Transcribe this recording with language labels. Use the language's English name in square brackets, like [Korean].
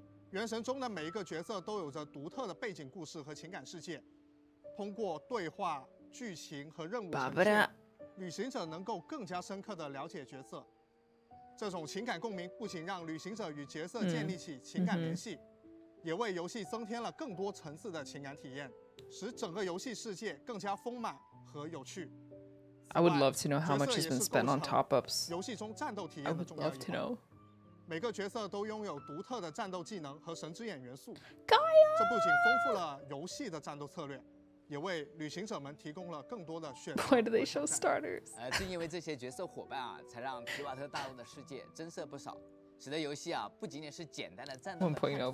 [Chinese] 原神中的每一个角色都有着独特的背景故事和情感世界，通过对话、剧情和任务呈现，旅行者能够更加深刻地了解角色。这种情感共鸣不仅让旅行者与角色建立起情感联系，也为游戏增添了更多层次的情感体验，使整个游戏世界更加丰满和有趣。 [English] I would love to know how much has been spent on top-ups. [Chinese] 游戏中战斗体验的重要一环。每个角色都拥有独特的战斗技能和神之眼元素。 [English] Gaia! [Chinese] 这不仅丰富了游戏的战斗策略，也为旅行者们提供了更多的选择。 [English] Why do they show starters? [Chinese] 正因为这些角色伙伴啊，才让皮瓦特大陆的世界增色不少，使得游戏啊不仅仅是简单的战斗的探索